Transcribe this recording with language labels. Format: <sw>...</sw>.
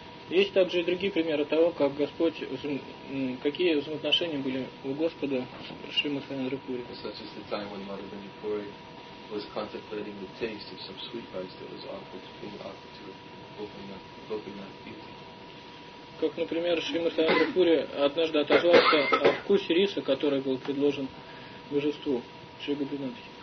<ru>Есть также и другие примеры того, как Господь, какие взаимоотношения были у Господа с Шри Мадхава Чандрапури.</ru> <en>Such as the time when Madhava Chandrapuri was contemplating the taste of some sweet rice that was offered to Gopinath.</en> <ru>как, например, Шримад Хаяндрапури однажды отозвался о вкусе риса, который был предложен божеству Шри Гопинатхи.</ru>